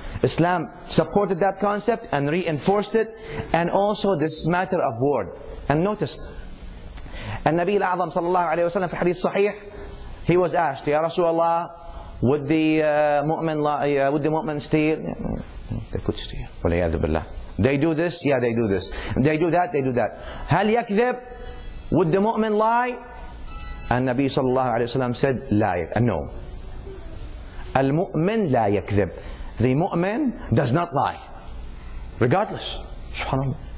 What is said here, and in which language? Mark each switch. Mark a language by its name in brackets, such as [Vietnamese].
[English] Islam supported that concept and reinforced it, and also this matter of word. And notice, [Arabic] النبي الأعظم صلى الله عليه وسلم في حديث صحيح, [English] he was asked, [Arabic] يا رسول الله, [English] would the mu'min steal? They could steal. [Arabic] وليعذب الله. [English] They do this, yeah, they do this. They do that, they do that. [Arabic] هل يكذب? [English] Would the mu'min lie? And Nabi sallallahu alayhi wa sallam said, no. [Arabic] المؤمن لا يكذب. [English] The mu'min does not lie. Regardless. SubhanAllah.